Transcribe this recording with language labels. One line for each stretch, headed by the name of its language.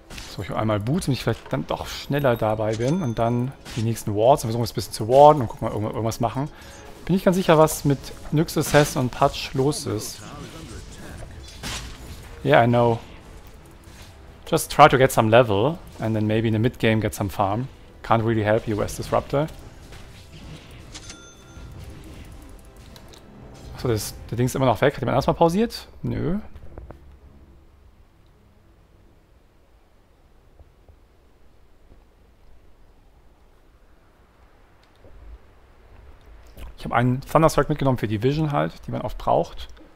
German: So, ich einmal Boots, damit ich vielleicht dann doch schneller dabei bin. Und dann die nächsten Wards. Und versuchen wir es ein bisschen zu warden und gucken mal, irgendwas machen. Bin ich ganz sicher, was mit Nyx Assassin und Patch los ist.
English: Yeah, I know. Just try to get some level and then maybe in the mid-game get some farm. Can't really help you, West Disruptor.
German: Achso, der Ding ist immer noch weg. Hat jemand erstmal pausiert? Nö. Ich habe einen Thunderstrike mitgenommen für die Vision halt, die man oft braucht.